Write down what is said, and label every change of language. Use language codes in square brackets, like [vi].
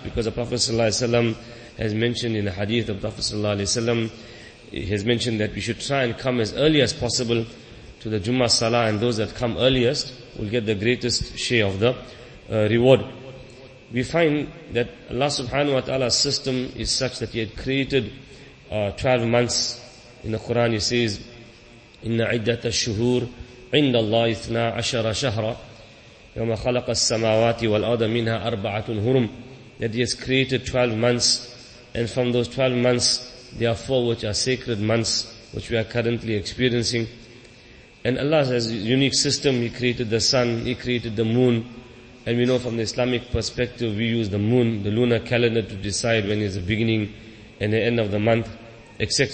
[en] Because the Prophet sallallahu alayhi wa sallam has mentioned in the hadith of Prophet sallallahu alayhi wa sallam, he has mentioned that we should try and come as early as possible to the Jummah Salah, and those that come earliest will get the greatest share of the reward. We find that Allah subhanahu wa ta'ala's system is such that He had created 12 months. In the Quran He says, [ar] إِنَّ عِدَّةَ الشُّهُورِ عِنْدَ اللَّهِ اثْنَا عَشَرَ شَهْرًا يَوْمَ خَلَقَ السَّمَاوَاتِ وَالْأَرْضَ مِنْهَا أَرْبَعَةٌ هُرُمٌ. [en] That He has created 12 months, and from those 12 months, there are four which are sacred months, which we are currently experiencing. And Allah has a unique system. He created the sun, He created the moon. And we know from the Islamic perspective, we use the moon, the lunar calendar, to decide when is the beginning and the end of the month, etc.